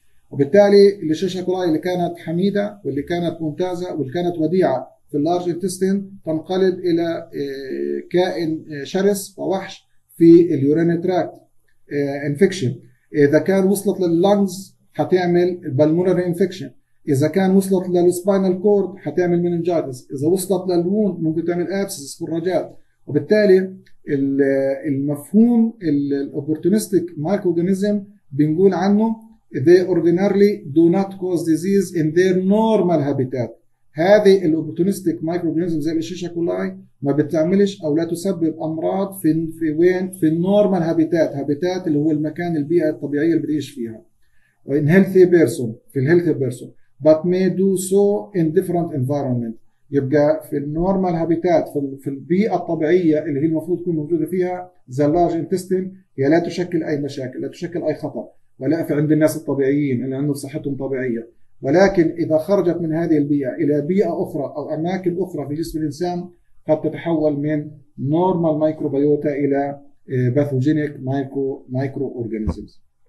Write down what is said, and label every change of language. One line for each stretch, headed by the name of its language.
Arabic: وبالتالي الشيشة كولاي اللي كانت حميدة واللي كانت ممتازة واللي كانت وديعة في اللارج انتستين تنقلب الى كائن شرس ووحش في اليورينري تراكت انفكشن. اذا كان وصلت لللانجز هتعمل بالمونري انفكشن، اذا كان وصلت للسباينال كورد هتعمل مينينجايتس، اذا وصلت للوون ممكن تعمل ابسس فراجات. وبالتالي المفهوم
English: الاوبورتونستيك microorganism
Arabic: بنقول عنه
English: they ordinarily do not cause disease in their normal habitat.
Arabic: هذه الاوبورتونستيك مايكرو اورجانيزم زي الشيشة كولاي ما بتعملش او لا تسبب امراض في وين؟ في النورمال هابيتات، هابيتات اللي هو المكان البيئه الطبيعيه اللي بتعيش فيها.
English: In healthy person, في الهيلثي person, but may do so in different environment.
Arabic: يبقى في النورمال هابيتات، في البيئه الطبيعيه اللي هي المفروض تكون موجوده فيها زي اللارج انتستين، هي لا تشكل اي مشاكل، لا تشكل اي خطر، ولا في عند الناس الطبيعيين اللي عندهم صحتهم طبيعيه. ولكن اذا خرجت من هذه البيئه الى بيئه اخرى او اماكن اخرى في جسم الانسان، قد تتحول من نورمال مايكروبيوتا الى باثوجينيك مايكرو اورجانيزمز.